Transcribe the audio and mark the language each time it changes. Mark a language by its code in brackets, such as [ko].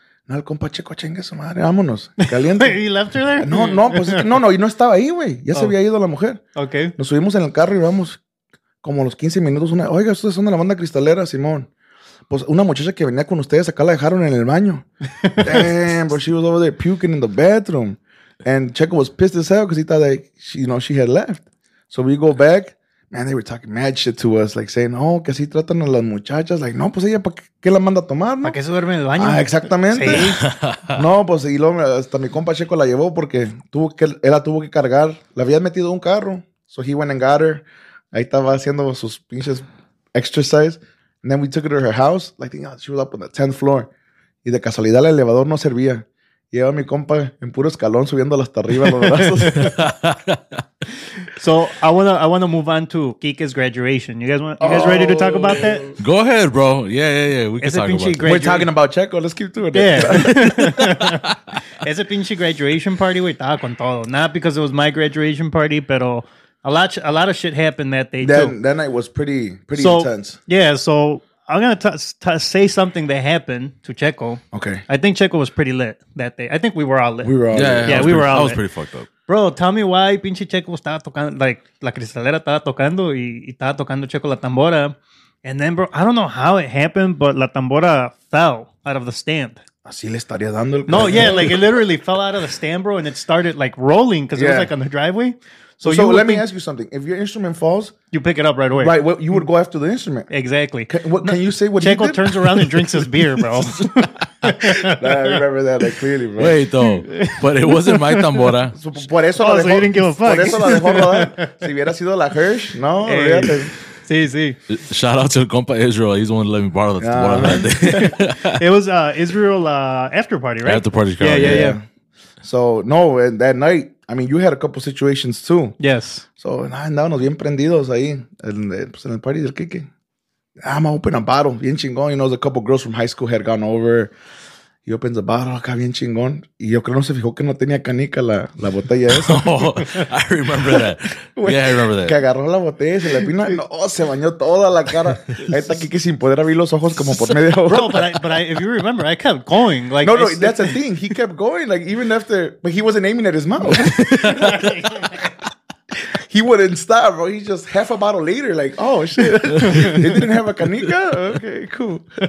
[es] No, el compa Checo, chingue su madre, vámonos. Caliente. [en] ¿He left her there? [es] No, y no estaba ahí, güey. Ya se había ido la mujer. Ok. Nos subimos en el carro y vamos como los 15 minutos. Oiga, ustedes son de la banda Cristalera, Simón. Pues una muchacha que venía con ustedes, acá la dejaron en el baño. [en] Damn, bro, she was over there puking in the bedroom. And Checo was pissed as hell because he thought that, she, you know, she had left. So we go back. Man, they were talking mad shit to us, like saying, oh, [es] que así tratan a las muchachas. Like, no, pues ella, ¿qué la manda a tomar, no? ¿Para qué se duerme en el baño? Ah, exactamente. Sí. No, pues, y luego hasta mi compa Checo la llevó porque él la tuvo que cargar. La había metido en un carro. [en] So he went and got her. [es] Ahí estaba haciendo sus pinches exercise. [en] And then we took her to her house. Like, she was up on the 10th floor. [es] Y de casualidad, el elevador no servía. Lleva mi compa en puro escalón subiendo hasta arriba los brazos. [en] So, I wanna move on to Kike's graduation. You guys ready to talk about that? Go ahead, bro. Yeah. We can talk about it. We're talking about Checo. Let's keep doing it. Yeah. [es] Ese pinche [en] graduation party, [es] we estaba con todo. [en] Not because it was my graduation party, [es] pero... [en] A lot of shit happened that day, too. That night was pretty intense. Yeah, so I'm going to say something that happened to Checo. Okay. I think Checo was pretty lit that day. I think we were all lit. We were all lit. Yeah, we were all lit. I was pretty fucked up. Bro, tell me why [es] pinche Checo estaba tocando, like, la cristalera estaba tocando y estaba tocando Checo la tambora. [en] And then, bro, I don't know how it happened, but la tambora fell out of the stand. [es] Así le estaría dando el... [en] No, yeah, like, it literally fell out of the stand, bro, and it started, like, rolling because it was, like, on the driveway. So let me ask you something. If your instrument falls... You pick it up right away. Right, well, you would go after the instrument. Exactly. Can you say what Checo he did? Turns around and drinks his beer, bro. Nah, I remember that, like, clearly, bro. Wait, though. But it wasn't my tambora. [es] So, por eso oh, la [en] so [es] dejó, [en] he didn't give a fuck. [es] Por eso la dejó rodar. Si hubiera sido la Hirsch, no, hey. Sí, sí. [en] Shout out to compa Israel. He's the one who let me borrow the tambora that day. It was Israel after party, right? After party. Yeah, So, no, and that night, I mean, you had a couple situations too. Yes. [es] So, andábamos bien prendidos ahí en el party del Kike. [en] I'm open a bottle, [es] bien chingón. [en] You know, a couple girls from high school had gone over. He opens a bottle, [es] acá bien chingón. Y yo creo no se fijó que no tenía canica la botella esa. [en] Oh, I remember that. [es] Bueno, [en] yeah, I remember that. [es] Que agarró la botella y se le pina. No, se bañó toda la cara. Ahí está Kike sin poder abrir los ojos como por media hora. [en] Bro, but I, if you remember, I kept going. Like, no, that's the thing. He kept going, like, even after, but he wasn't aiming at his mouth. He wouldn't stop, bro. He's just half a bottle later, like, oh, shit. They didn't have a canica? Okay, cool.